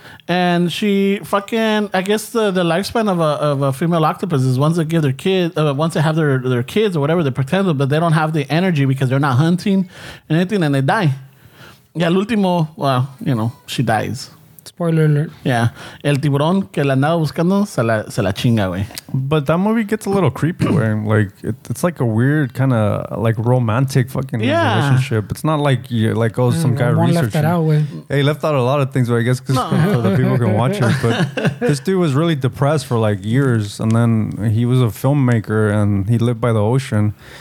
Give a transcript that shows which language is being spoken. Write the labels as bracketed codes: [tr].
[en] And she fucking, I guess the lifespan of a female octopus is once they give their kids, once they have their kids or whatever, they pretend them, but they don't have the energy because they're not hunting anything, and they die. Yeah, [es] el último, [en] well, you know, she dies. Spoiler alert. Yeah. [es] El tiburón que la andaba buscando se la chinga, güey. [en] But that movie gets a little creepy, where like it's like a weird kind of like romantic fucking relationship. It's not like you're like, oh, some guy researching. Left that out, güey. Yeah, he left out a lot of things, but I guess because the people can watch it. But this dude was really depressed for like years, and then he was a filmmaker and he lived by the ocean.